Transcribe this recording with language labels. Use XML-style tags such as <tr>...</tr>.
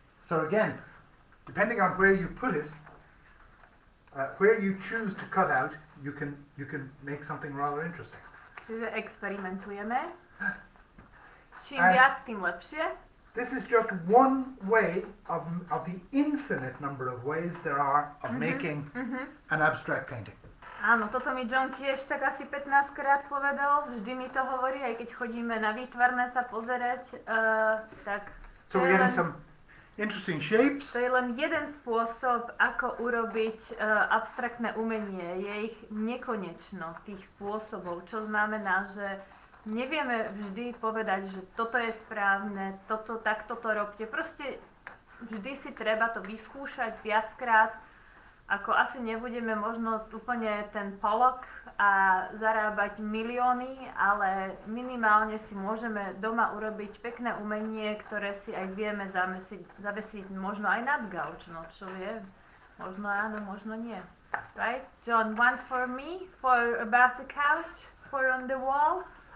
<en>So again, depending on where you put it, where you choose to cut out, you can make something rather interesting.</en> <sk>Čiže experimentujeme. Čím viac, tým lepšie.</sk> <en>This is just one way of the infinite number of ways there are of making an abstract painting.</en> <sk>Áno, toto mi John tiež tak asi 15 krát povedal. Vždy mi to hovorí, aj keď chodíme na výtvarné sa pozerať, tak...</sk> <en>So we're getting some interesting shapes.</en> <sk>To je len jeden spôsob, ako urobiť abstraktné umenie. Je ich nekonečno, tých spôsobov, čo znamená, že nevieme vždy povedať, že toto je správne, toto, takto to robte. Proste vždy si treba to vyskúšať viackrát, ako asi nebudeme možno úplne ten Pollock a zarábať milióny, ale minimálne si môžeme doma urobiť pekné umenie, ktoré si aj vieme zavesiť možno aj nad gauč, no čo vie. Možno áno, možno nie. Right?</sk> <en>John, one for me, for above the couch, for on the wall.</en>